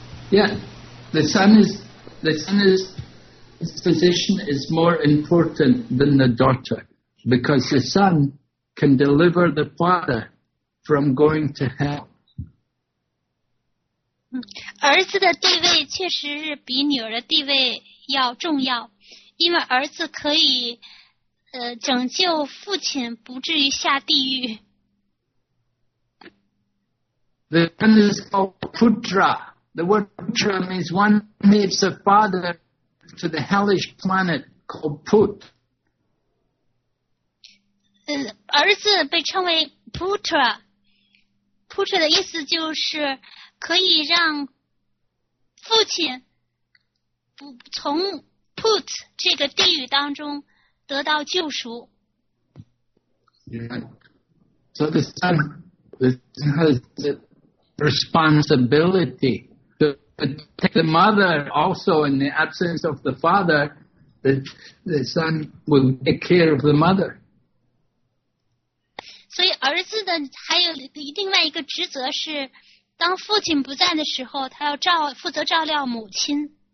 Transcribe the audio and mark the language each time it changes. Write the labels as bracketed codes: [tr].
[en] Yeah, the son's position is more important than the daughter because the son can deliver the father from going to hell. [zh] 儿子的地位确实是比女儿的地位要重要，因为儿子可以拯救父亲不至于下地狱。 [en] The son is called Putra. The word Putra means one leaves a father to the hellish planet called Put. [zh] 儿子被称为 Putra. Putra 的意思就是可以让父亲不从 Put 这个地狱当中得到救赎。 Yeah. [en] So the son has the responsibility to protect the mother also in the absence of the father. The son will take care of the mother. [zh] 所以儿子的还有另外一个职责是当父亲不在的时候他要负责照料母亲。